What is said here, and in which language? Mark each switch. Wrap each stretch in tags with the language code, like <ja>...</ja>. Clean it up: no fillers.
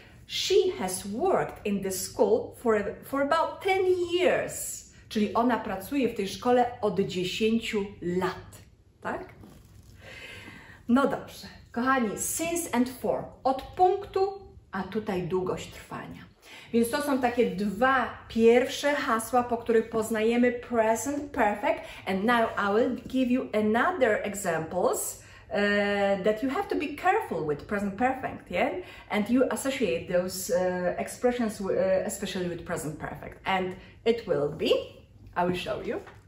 <en>She has worked in this school for about 10 years.</en> <pl>Czyli ona pracuje w tej szkole od 10 lat, tak? No dobrze. Kochani, since and for, od punktu, a tutaj długość trwania. Więc to są takie dwa pierwsze hasła, po których poznajemy present perfect.</pl> <en>And now I will give you another examples that you have to be careful with present perfect, yeah? And you associate those expressions especially with present perfect. And it will be, I will show you.</en>